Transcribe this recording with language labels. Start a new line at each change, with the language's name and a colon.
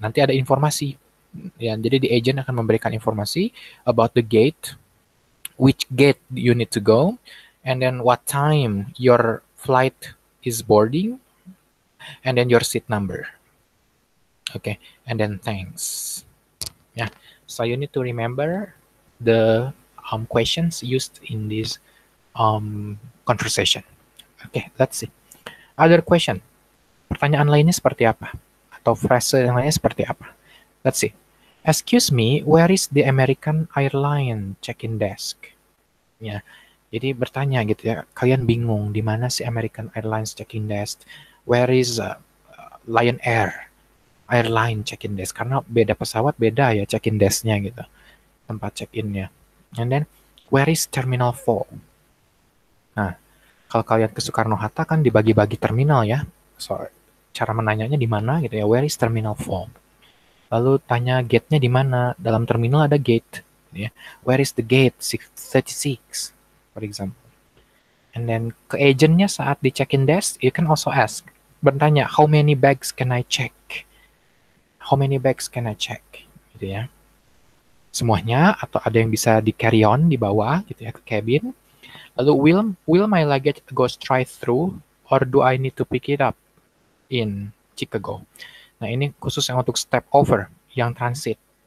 Indonesian: Nanti ada informasi ya. Jadi
English: the agent
Indonesian: akan memberikan informasi
English: about the gate, which gate you need to go, and then what time your flight is boarding, and then your seat number. Okay, and then thanks. Yeah, so you need to remember the questions used in this conversation. Okay, let's see. Other question.
Indonesian: Pertanyaan lainnya seperti apa? Atau phrase yang lainnya seperti apa?
English: Let's see. Excuse me, where is the American Airlines check-in desk?
Indonesian: Yeah, jadi bertanya gitu ya. Kalian bingung di mana si American Airlines check-in desk?
English: Where is Lion Air Airline check-in desk,
Indonesian: karena beda pesawat, beda ya check-in desk-nya gitu, tempat check-in-nya.
English: And then, where is Terminal 4?
Indonesian: Nah, kalau kalian ke Soekarno-Hatta kan dibagi-bagi terminal ya. So, cara menanyanya di mana gitu ya,
English: where is Terminal 4?
Indonesian: Lalu tanya gate-nya di mana, dalam terminal ada gate. Ya.
English: Where is the gate 36, for example. And then,
Indonesian: ke agent-nya saat di check-in desk,
English: you can also ask,
Indonesian: bertanya,
English: how many bags can I check? How many bags can I check?
Indonesian: Gitu ya. Semuanya atau ada yang bisa di carry on di bawah gitu ya ke cabin. Lalu
English: will my luggage go straight through or do I need to pick it up in Chicago?
Indonesian: Nah, ini khusus yang untuk step over yang transit.